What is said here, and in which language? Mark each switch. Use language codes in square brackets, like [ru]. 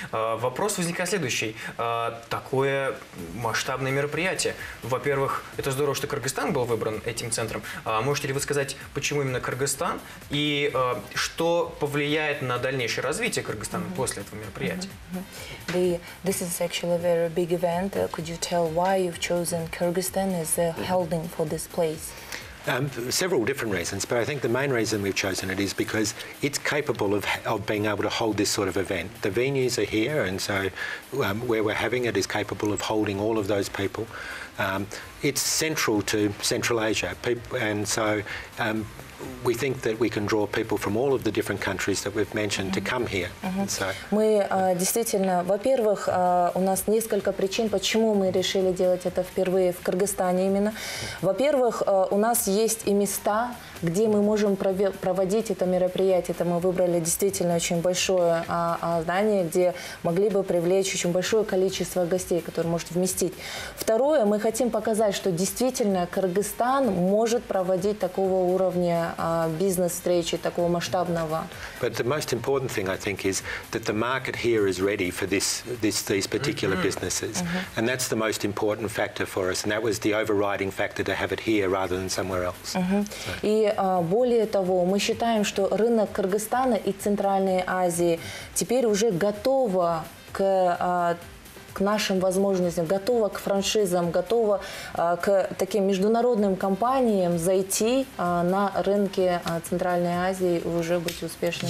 [ru] Вопрос возникает следующий. Такое масштабное мероприятие. Во-первых, это здорово, что Кыргызстан был выбран этим центром. Можете ли вы сказать, почему именно Кыргызстан? и что повлияет на дальнейшее развитие Кыргызстана mm-hmm. после этого мероприятия. [en] This is actually a very big event. Could you tell why you've chosen Kyrgyzstan as a holding for this place? Several different reasons, but I think the main reason we've chosen it is because it's capable of being able to hold this sort of event. The venues are here, and so where we're having it is capable of holding all of those people. It's central to Central Asia, and so we think that we can draw people from all of the different countries that we've mentioned mm-hmm. to come here. Mm-hmm. [ru] So, мы действительно, во-первых, у нас несколько причин, почему мы решили делать это впервые в Кыргызстане именно. Во-первых, у нас есть и места, где мы можем проводить это мероприятие. Это мы выбрали действительно очень большое здание, где могли бы привлечь очень большое количество гостей, которое может вместить. Второе, мы хотим показать, что действительно Кыргызстан может проводить такого уровня бизнес-встречи, такого масштабного. [en] But the most important thing, I think, is that the market here is ready for these particular mm-hmm. businesses. Mm-hmm. And that's the most important factor for us. And that was the overriding factor to have it here rather than somewhere else. Mm-hmm. So. [ru] И более того, мы считаем, что рынок Кыргызстана и Центральной Азии теперь уже готово к нашим возможностям, готово к франшизам, готово к таким международным компаниям зайти на рынки Центральной Азии и уже быть успешными.